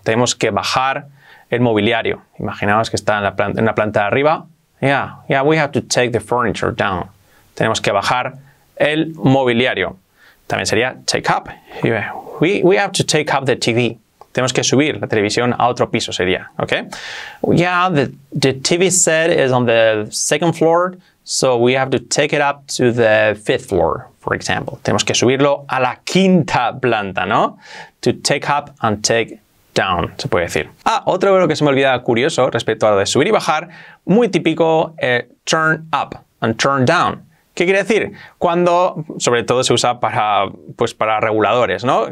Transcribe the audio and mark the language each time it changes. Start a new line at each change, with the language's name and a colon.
Spanish: Tenemos que bajar el mobiliario. Imaginaos que está en la planta de arriba.
English: Yeah, we have to take the furniture down.
Spanish: Tenemos que bajar el mobiliario. También sería take up.
English: We have to take up the TV.
Spanish: Tenemos que subir la televisión a otro piso, sería, ¿ok?
English: Yeah, the the TV set is on the second floor, so we have to take it up to the fifth floor, for example.
Spanish: Tenemos que subirlo a la quinta planta, ¿no?
English: To take up and take down,
Spanish: se puede decir. Ah, otro verbo que se me olvidaba curioso respecto a lo de subir y bajar, muy típico,
English: turn up and turn down.
Spanish: ¿Qué quiere decir? Cuando, sobre todo, se usa para, pues, para reguladores, ¿no?